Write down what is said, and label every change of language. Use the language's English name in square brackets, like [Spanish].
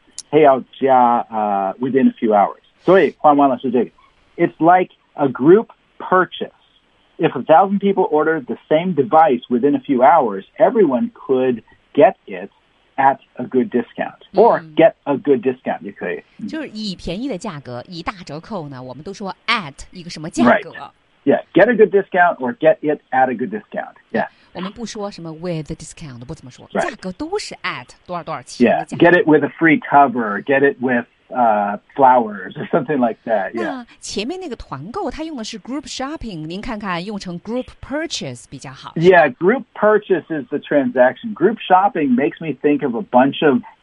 [Chinese] 还要加 [English] within a few hours. [Chinese] 所以换完了是这个 [English] It's like a group purchase. If 1,000 people ordered the same device within a few hours, everyone could get it at a good discount. Or get a good discount, [Chinese] 也可以。就是以便宜的价格，以大折扣呢，我们都说 at 一个什么价格。 [English] Right. Yeah, get a good discount or get it at a good discount. Yeah. [Chinese] 我们不说什么 with discount, 不怎么说、 [English] right. [Chinese] 价格都是 at 多少多少钱。 [English] Yeah, get it with a free cover, get it with、flowers or something like that. Yeah. [Chinese] 那前面那个团购它用的是 group shopping, 您看看用成 group purchase 比较好。 [English] Yeah, group purchase is the transaction. Group shopping makes me think of a bunch of...